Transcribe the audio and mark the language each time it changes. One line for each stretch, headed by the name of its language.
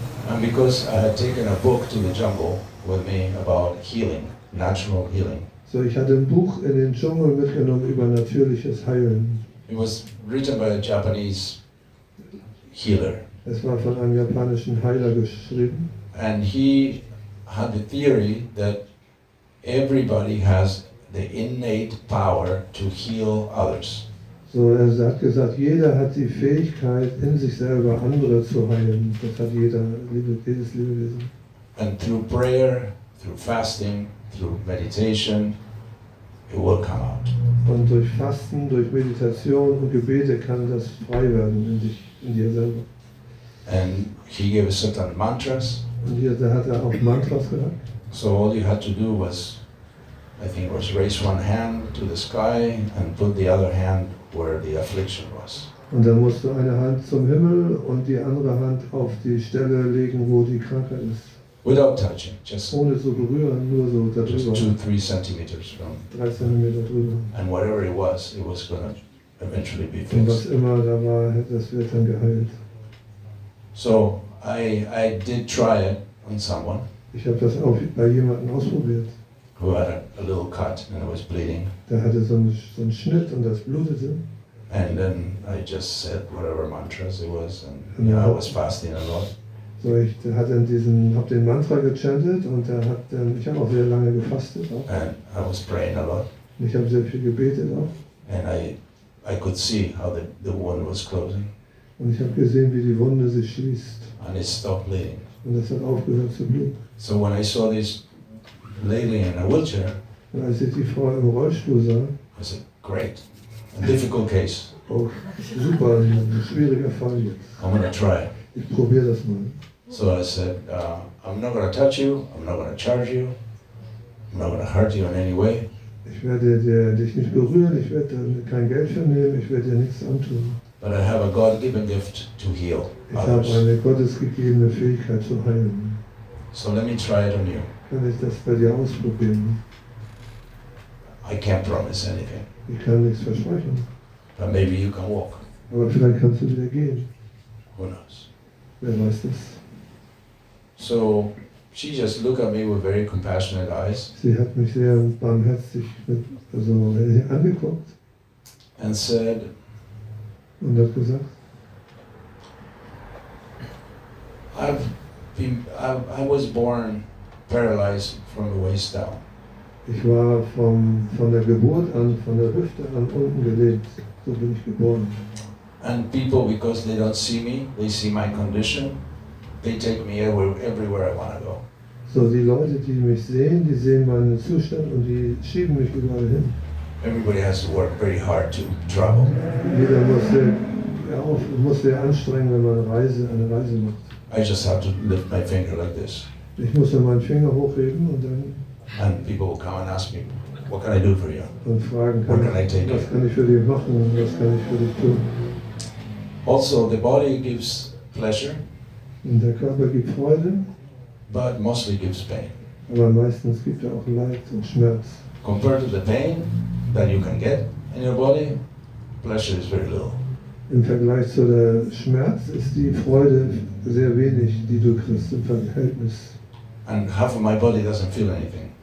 English: And because I had taken a book to the jungle with me about healing, natural healing.
German: So ich hatte ein Buch in den Dschungel mitgenommen über natürliches Heilen.
English: It was written by a Japanese healer.
German: Es war von einem japanischen Heiler geschrieben.
English: And he had the theory that everybody has the innate power to heal others.
German: So er hat gesagt, jeder hat die Fähigkeit, in sich selber andere zu heilen. Das hat jeder, jedes Lebewesen.
English: And through prayer, through fasting, through meditation, it will come out.
German: Und durch Fasten, durch Meditation und Gebete kann das frei werden in sich, in dir selber.
English: And he gave a certain mantras.
German: Und hier hat er auch Mantras gesagt.
English: So all you had to do was, I think it was raise one hand to the sky and put the other hand where the affliction was.
German: Und dann musst du eine Hand zum Himmel und die andere Hand auf die Stelle legen, wo die Krankheit ist.
English: Without touching, just
German: ohne zu berühren, nur so darüber.
English: Just 2-3 centimeters from.
German: 3 Zentimeter drüber.
English: And whatever it was gonna eventually be fixed.
German: Und was immer da war, das wird dann geheilt.
English: So I did try it on someone.
German: Ich habe das auch bei jemandem ausprobiert.
English: Who had a little cut and it was bleeding.
German: Der hatte so einen Schnitt und das blutete.
English: And then I just said whatever mantras it was and you know, I was fasting a lot.
German: So ich hatte dann hab den Mantra gechantet und er hat dann, ich habe auch sehr lange gefastet auch.
English: And I was praying a lot.
German: Und ich habe sehr viel gebetet auch.
English: And I could see how the wound was closing.
German: Und ich habe gesehen, wie die Wunde sich schließt.
English: And it stopped bleeding.
German: Und es hat aufgehört zu bluten.
English: So when I saw this lady in a wheelchair.
German: Und als ich die Frau im Rollstuhl sah,
English: I said, great, a difficult case.
German: Oh, super, ein schwieriger Fall jetzt.
English: I'm gonna try.
German: Ich probiere das mal.
English: So I said, I'm not gonna touch you, I'm not gonna charge you, I'm not gonna hurt you in any way.
German: Ich werde dich nicht berühren, ich werde kein Geld für nehmen, ich werde dir nichts antun.
English: But I have a God-given gift to heal
German: others. Ich habe eine gottesgegebene Fähigkeit zu heilen.
English: So let me try it on you.
German: Kann ich das bei dir ausprobieren?
English: I can't promise anything.
German: Ich kann nichts versprechen.
English: But maybe you can walk.
German: Aber vielleicht kannst du wieder gehen.
English: Who knows?
German: Wer weiß das?
English: So she just looked at me with very compassionate eyes.
German: Sie hat mich sehr barmherzig angeguckt.
English: And said.
German: Und hat gesagt.
English: I was born paralyzed from the waist down.
German: Ich war von der Geburt an, von der Hüfte an unten gelähmt. So bin ich geboren.
English: And people, because they don't see me, they see my condition, they take me everywhere I want to go.
German: So die Leute, die mich sehen, die sehen meinen Zustand und die schieben mich überall hin.
English: Everybody has to work very hard to travel.
German: Jeder muss sehr anstrengen, wenn man eine Reise macht.
English: I just have to lift my finger like this.
German: Ich muss dann meinen Finger hochheben und dann.
English: And people will come and ask me, what can I do for you?
German: Und fragen, was kann ich für dich machen und was kann ich für dich tun?
English: Also, the body gives pleasure.
German: Und der Körper gibt Freude.
English: But mostly gives pain.
German: Aber meistens gibt er auch Leid und Schmerz.
English: Compared to the pain that you can get in your body, pleasure is very little.
German: Im Vergleich zu der Schmerz ist die Freude sehr wenig, die du kriegst im Verhältnis.
English: And half of my body doesn't feel anything.